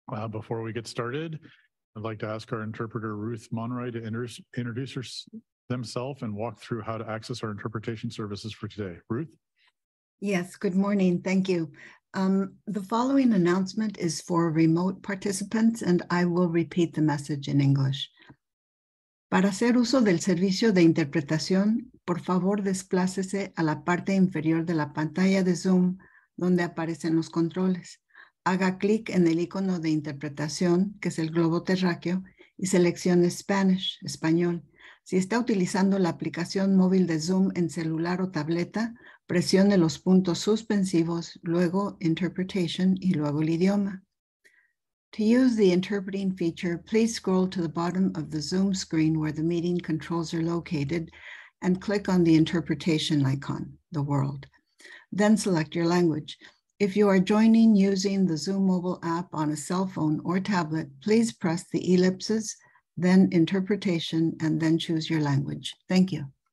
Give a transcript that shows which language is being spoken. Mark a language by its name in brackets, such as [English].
[English] Before we get started, I'd like to ask our interpreter Ruth Monroy to introduce herself and walk through how to access our interpretation services for today. Ruth? Yes, good morning. Thank you. The following announcement is for remote participants and I will repeat the message in English. [Spanish] Para hacer uso del servicio de interpretación, por favor desplácese a la parte inferior de la pantalla de Zoom donde aparecen los controles. Haga clic en el icono de interpretación, que es el globo terráqueo, y seleccione Spanish, español. Si está utilizando la aplicación móvil de Zoom en celular o tableta, presione los puntos suspensivos, luego Interpretation y luego el idioma. [English] To use the interpreting feature, please scroll to the bottom of the Zoom screen where the meeting controls are located and click on the interpretation icon, the world. Then select your language. If you are joining using the Zoom mobile app on a cell phone or tablet, please press the ellipses, then interpretation, and then choose your language. Thank you.